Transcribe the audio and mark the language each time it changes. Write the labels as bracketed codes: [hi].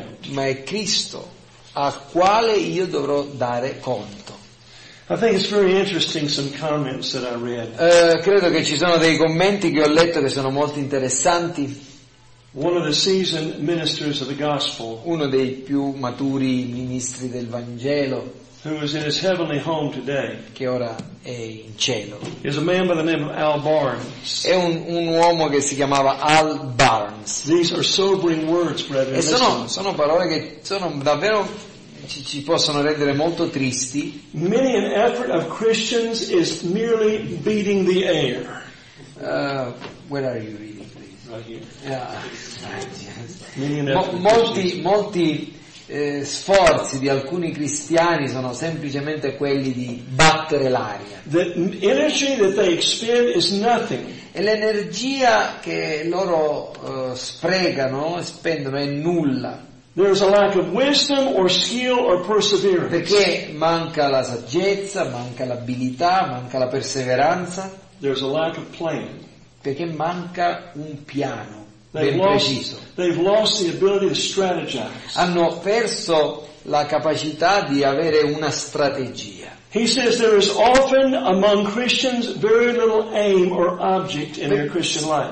[it] Ma è Cristo a quale io dovrò dare conto. [en] I think it's very interesting some comments that I read. [it] Credo che ci sono dei commenti che ho letto che sono molto interessanti. [en] One of the seasoned ministers of the gospel. [it] Uno dei più maturi ministri del Vangelo. [en] Who is in his heavenly home today? [it] Che ora è in cielo. [en] Is a man by the name of Al Barnes. [it] È un uomo che si chiamava Al Barnes. [en] These are sobering words, brethren. [it] E sono parole che sono davvero ci possono rendere molto tristi. [en] Many an effort of Christians is merely beating the air. Where are you reading, please? Right here. Yeah. Many an [it] molti sforzi di alcuni cristiani sono semplicemente quelli di battere l'aria. [en] The energy that they expend is nothing. [it] E l'energia che loro sprecano e spendono è nulla. [en] There is a lack of wisdom or skill or perseverance. [it] Perché manca la saggezza, manca l'abilità, manca la perseveranza. [en] There is a lack of plan. [it] Perché manca un piano. [en] They've lost the ability to strategize. [it] Hanno perso la capacità di avere una strategia. [en] He says there is often among Christians very little aim or object in their Christian life.